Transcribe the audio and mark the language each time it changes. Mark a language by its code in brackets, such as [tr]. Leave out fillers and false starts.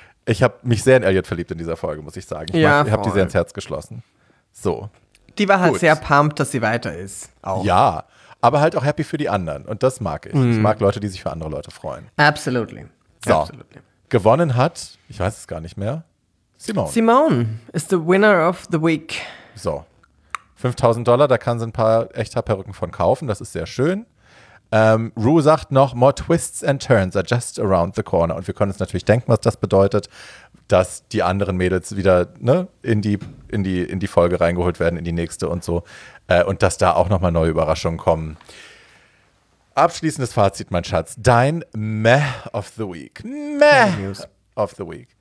[de] Ich habe mich sehr in Elliot verliebt in dieser Folge, muss ich sagen. Ich habe die sehr ins Herz geschlossen. So. Die war halt sehr pumped, dass sie weiter ist. Auch. Ja, aber halt auch happy für die anderen. Und das mag ich. Mm. Ich mag Leute, die sich für andere Leute freuen. [en] Absolutely. [de] So. [en] Absolutely. [de] Gewonnen hat, ich weiß es gar nicht mehr, Simone. [en] Simone is the winner of the week. [de] So. $5,000, da kann sie ein paar Echthaarperücken von kaufen. Das ist sehr schön. Ru sagt noch, [en] more twists and turns are just around the corner. [de] Und wir können uns natürlich denken, was das bedeutet, dass die anderen Mädels wieder in die Folge reingeholt werden, in die nächste und so. Und dass da auch nochmal neue Überraschungen kommen. Abschließendes Fazit, mein Schatz. Dein Meh of the Week. Meh of the Week.